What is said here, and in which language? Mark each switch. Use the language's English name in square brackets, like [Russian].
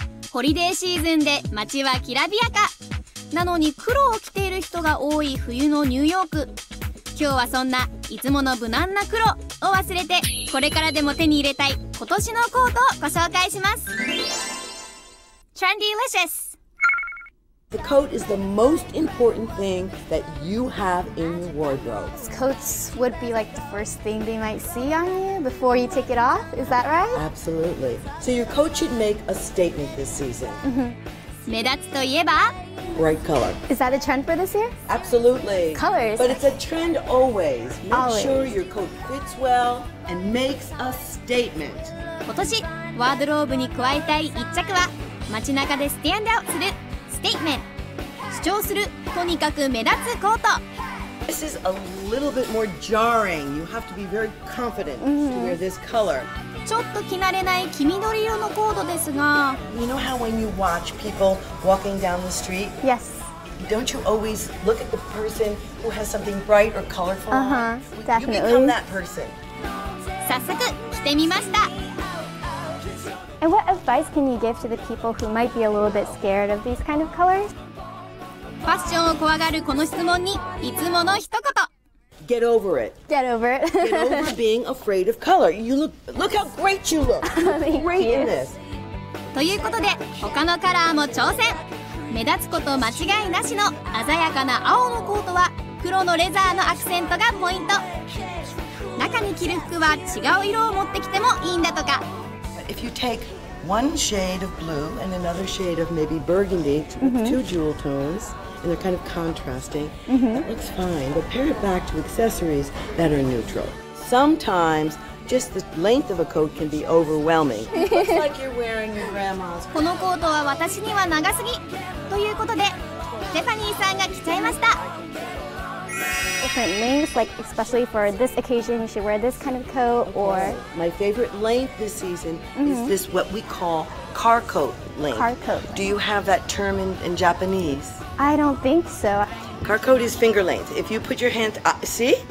[Japanese] ホリデーシーズンで街はきらびやかなのに、黒を着ている人が多い冬のニューヨーク。今日はそんないつもの無難な黒を忘れて、これからでも手に入れたい今年のコートをご紹介します。 [English] Trendylicious。 The coat is the most important thing that you have in your wardrobe. Coats would be like the first thing they might see on you before you take it off. Is that right? Absolutely. So your coat should make a statement this season. [Japanese] 目立つといえば? [English] Bright color. Is that a trend for this year? Absolutely. Colors. But it's a trend always. Make always. sure your coat fits well and makes a statement. [Japanese] 今年、ワードローブに加えたい一着は、街中でスタンドアウトする。 [English] Statement. [Japanese] 主張する、とにかく目立つコート。 [English] This is a little bit more jarring. You have to be very confident to wear this color. [Japanese] ちょっと着慣れない黄緑色のコートですが。 [English] You know how when you watch people walking down the street? Yes. Don't you always look at the person who has something bright or colorful? Uh-huh. Definitely. You become that person. [Japanese] 早速、着てみました。 [English] And what advice can you give to the people who might be a little bit scared of these kind of colors? [Japanese] ファッションを怖がるこの質問にいつもの一言。 [English] Get over it. Get over it. Get over being afraid of color. You look how great you look. Great in this. [Japanese] ということで、他のカラーも挑戦。目立つこと間違いなしの鮮やかな青のコートは、黒のレザーのアクセントがポイント。中に着る服は違う色を持ってきてもいいんだとか。 [English] If you take one shade of blue and another shade of maybe burgundy with two jewel tones and they're kind of contrasting, that looks fine. But pair it back to accessories that are neutral. Sometimes just the length of a coat can be overwhelming. It looks like you're wearing your grandma's coat. [Japanese] このコートは私には長すぎということで、ステファニーさんが着ちゃいました。 [English] Different lengths, like especially for this occasion, you should wear this kind of coat. Or my favorite length this season is this what we call car coat length. Car coat. Do you have that term in Japanese? I don't think so. Car coat is finger length. If you put your hand, see?